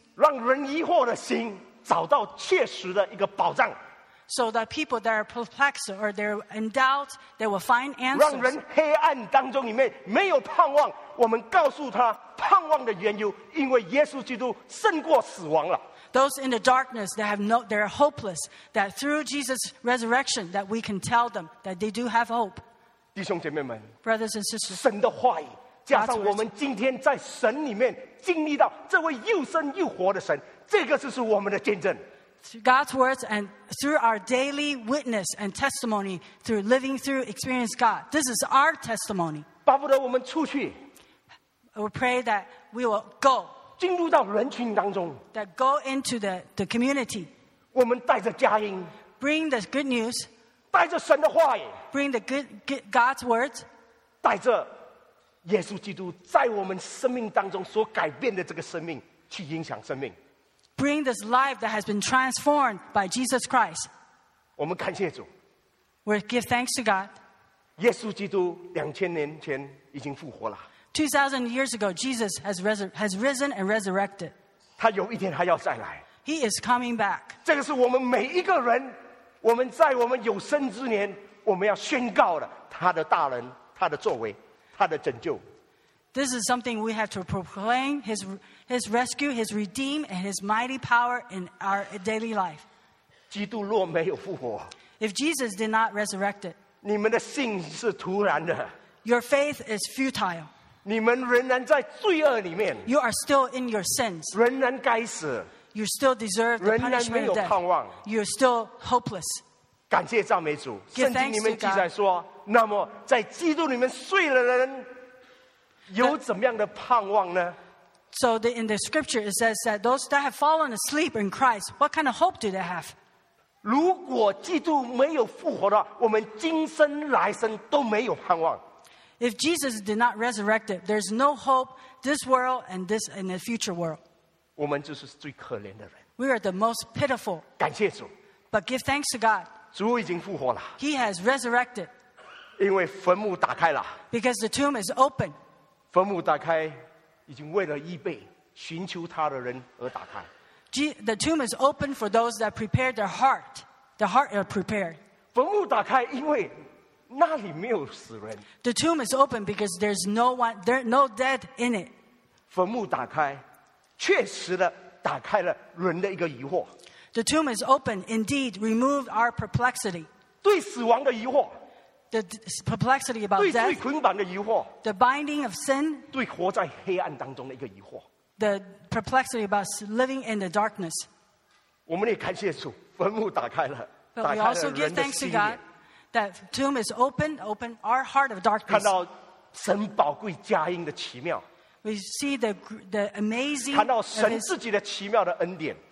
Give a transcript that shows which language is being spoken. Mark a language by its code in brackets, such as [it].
[zh] 让人疑惑的心找到切实的一个保障。 [en] So that people that are perplexed or they're in doubt, they will find answers. [zh] 让人黑暗当中里面没有盼望, 我们告诉他盼望的缘由, 因为耶稣基督胜过死亡了。 [en] Those in the darkness that have no, they're hopeless, that through Jesus' resurrection that we can tell them that they do have hope. [zh] 弟兄姐妹们, [en] Brothers and sisters, [zh] 神的话语, 加上我们今天在神里面经历到这位又生又活的神, 这个就是我们的见证。 [en] God's words and through our daily witness and testimony through living through experience God, this is our testimony. [zh] 巴不得我们出去, [en] we pray that we will go, [zh] 进入到人群当中, [en] that go into the community, [zh] 我们带着佳音, [en] bring the good news, [zh] 带着神的话语, [en] bring the good God's words, [zh] 带着耶稣基督在我们生命当中所改变的这个生命去影响生命。 [en] Bring this life that has been transformed by Jesus Christ. [zh] 我们感谢主。 [en] We give thanks to God. [zh] 耶稣基督2000年前已经复活了。 [en] 2000 years ago, Jesus has risen and resurrected. [zh] 他有一天还要再来。 [en] He is coming back. [zh] 这个是我们每一个人 我们在我们有生之年，我们要宣告的，他的大能，他的作为，他的拯救。 [en] This is something we have to proclaim, his rescue, his redeem, and his mighty power in our daily life. [zh] 基督若没有复活, [en] if Jesus did not resurrect it, [zh] 你们的信是徒然的, [en] your faith is futile. [zh] 你们仍然在罪恶里面, [en] you are still in your sins. [zh] 仍然该死, [en] you still deserve the punishment of death. You are still hopeless. [zh] 感谢赞美主, [en] give thanks to God. [zh] 圣经里面记载说, 那么在基督里面睡了的人, 有怎么样的盼望呢? [en] So in the scripture it says that those that have fallen asleep in Christ, what kind of hope do they have? [zh] 如果基督没有复活的话, 我们今生来生都没有盼望。 [en] If Jesus did not resurrect it, there's no hope this world and this in the future world. [zh] 我们就是最可怜的人。 [en] We are the most pitiful. [zh] 感谢主。 [en] But give thanks to God. [zh] 主已经复活了。 [en] He has resurrected. [zh] 因为坟墓打开了。 [en] Because the tomb is open. [zh] 坟墓打开, 已经为了预备, 寻求他的人而打开。 [en] The tomb is open for those that prepare their heart. The heart are prepared. [zh] 坟墓打开, 因为那里没有死人。 [en] The tomb is open because there's no one, there's no dead in it. [zh] 坟墓打开, 确实地打开了人的一个疑惑。 [en] The tomb is open, indeed, remove our perplexity. [zh] 对死亡的疑惑。 [en] The perplexity about death. [zh] 对罪捆绑的疑惑, [en] the binding of sin. [zh] 对活在黑暗当中的一个疑惑, [en] the perplexity about living in the darkness. [zh] 我们也感谢主, 坟墓打开了, [en] but we also give thanks to God that tomb is open, open our heart of darkness. [zh] 看到神宝贵佳音的奇妙, [en] we see the amazing, [zh] 看到神自己的奇妙的恩典,